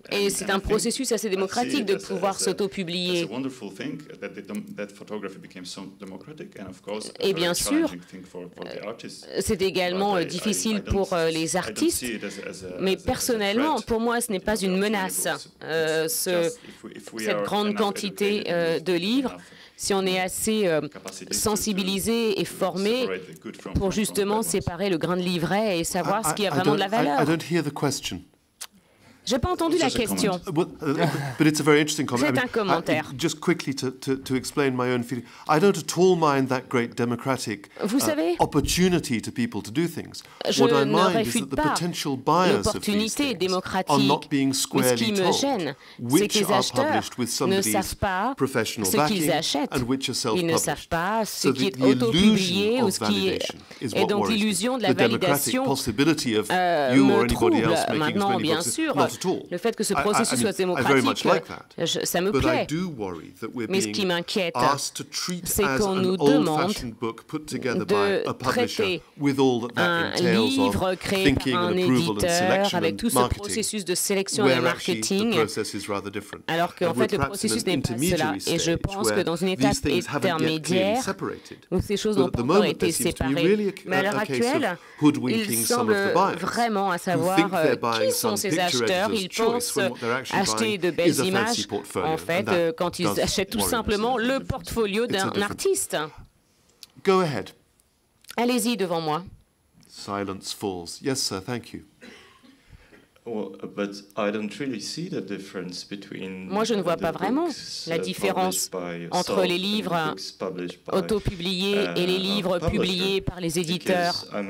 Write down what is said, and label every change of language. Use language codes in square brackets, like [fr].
[fr] Et c'est un processus assez démocratique de pouvoir s'autopublier. [en] It's a wonderful thing that that photography became so democratic, and of course, [fr] et bien sûr, [en] for the artists. [fr] C'est également difficile pour les artistes, mais personnellement, pour moi, ce n'est pas une menace, cette grande quantité de livres. Si on est assez sensibilisé et formé pour justement séparer le grain de livret et savoir ce qui a vraiment de la valeur. [en] I don't hear the question. [fr] Je n'ai pas entendu la question. [en] But it's a very interesting comment. [fr] C'est un commentaire. [en] Just quickly to explain my own feeling. I don't at all mind that great democratic opportunity to people to do things. What I mind is that the potential bias of these things are not being squarely told. Which are published with somebody's professional backing and which are self-published. [fr] Ils ne savent pas ce qui est autopublié ou ce qui est donc l'illusion de la validation. [en] The possibility of you or anybody else making as many books. [fr] Le fait que ce processus soit démocratique, ça me plaît. Mais ce qui m'inquiète, c'est qu'on nous demande de traiter un livre créé par un éditeur avec tout ce processus de sélection et marketing, alors qu'en fait le processus n'est pas cela. Et je pense que dans une étape intermédiaire, où ces choses n'ont pas encore été séparées, mais à l'heure actuelle, il semble vraiment à savoir qui sont ces acheteurs. Ils pensent acheter de belles images, en fait, quand ils achètent tout simplement le portfolio d'un artiste. [en] Go ahead. [fr] Allez-y devant moi. [en] Silence falls. Yes, sir, thank you. Well, but I don't really see the difference between [fr] Moi, je ne vois pas vraiment la différence entre les livres autopubliés et les livres publiés par les éditeurs.